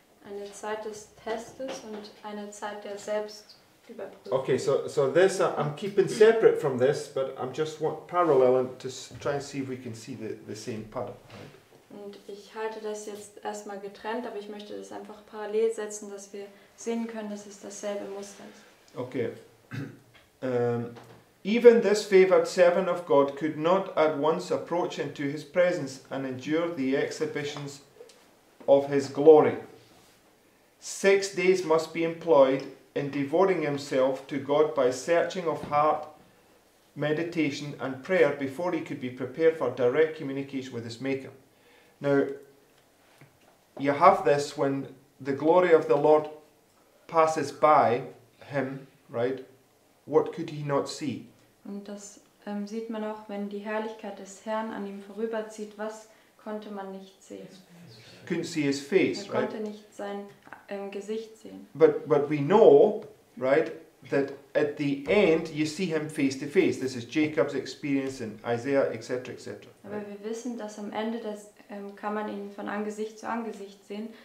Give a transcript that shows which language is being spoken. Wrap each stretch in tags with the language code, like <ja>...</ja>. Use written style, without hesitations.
<de>Eine Zeit des Testes und eine Zeit der Selbstüberprüfung.</de> <en>Okay, so this I'm keeping separate from this, but I'm just want parallel and to try and see if we can see the same pattern. Right?</en> <de>Und ich halte das jetzt erstmal getrennt, aber ich möchte das einfach parallel setzen, dass wir sehen können, dass es dasselbe Muster ist.</de> <en>Okay. Even this favored servant of God could not at once approach into His presence and endure the exhibitions of His glory. 6 days must be employed in devoting himself to God by searching of heart, meditation and prayer before he could be prepared for direct communication with his Maker. Now, you have this when the glory of the Lord passes by him, right? What could he not see?</en> <de>Und das sieht man auch, wenn die Herrlichkeit des Herrn an ihm vorüberzieht, was konnte man nicht sehen?</de> <en>Couldn't see his face,</en> <de>right? Er konnte nicht sein Gesicht sehen.</de> <en>But we know, right, that at the end you see him face to face. This is Jacob's experience in Isaiah, etc., etc.</en> <de>Aber</de> <en>right?</en> <de>Wir wissen, dass am Ende das kann man ihn von Angesicht zu Angesicht sehen.</de>